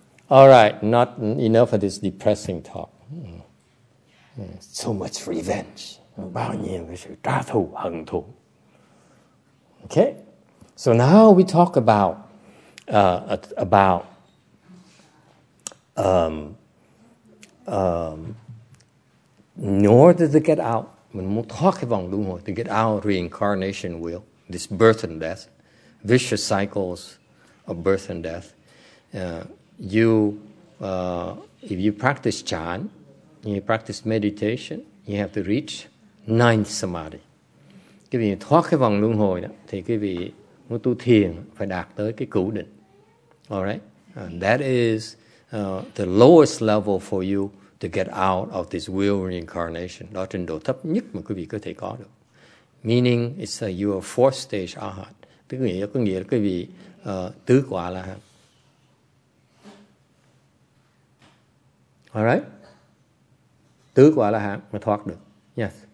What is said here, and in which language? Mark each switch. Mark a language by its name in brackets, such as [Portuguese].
[English] All right, not enough of this depressing talk. So much revenge. [Vietnamese] Bao nhiêu cái sự trả thù, hận thù. [English] Okay, so now we talk about in order to get out, [Vietnamese] mình muốn thoát cái vòng luân hồi, [English] to get out reincarnation wheel, this birth and death, vicious cycles of birth and death. If you practice chan, you practice meditation, you have to reach ninth samadhi. [Vietnamese] Cái vì thoát cái vòng luân hồi đó, thì cái vị muốn tu thiền phải đạt tới cái cửu định. [English] All right, that is the lowest level for you to get out of this wheel reincarnation. [Vietnamese] Đó trình độ thấp nhất mà quý vị có thể có được. [English] Meaning, it's a your fourth stage arhat. [Vietnamese] Tức nghĩa có nghĩa là quý vị tứ quả là hả? [English] All right? [Vietnamese] Tứ quả là hả? Mà thoát được. Yes.